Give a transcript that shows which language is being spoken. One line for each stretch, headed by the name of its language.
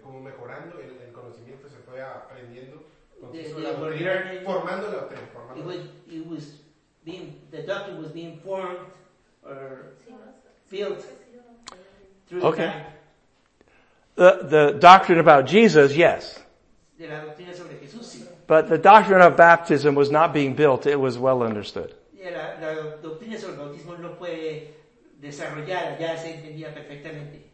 Spanish: Como mejorando el conocimiento, se fue aprendiendo, formando la doctrina.
English: The doctrine was being formed or built through okay. The doctrine about Jesus, yes.
Spanish: De la doctrina sobre Jesús, sí.
English: But the doctrine of baptism was not being built, it was well understood.
Spanish: La doctrina sobre el bautismo no fue desarrollada, ya se entendía perfectamente.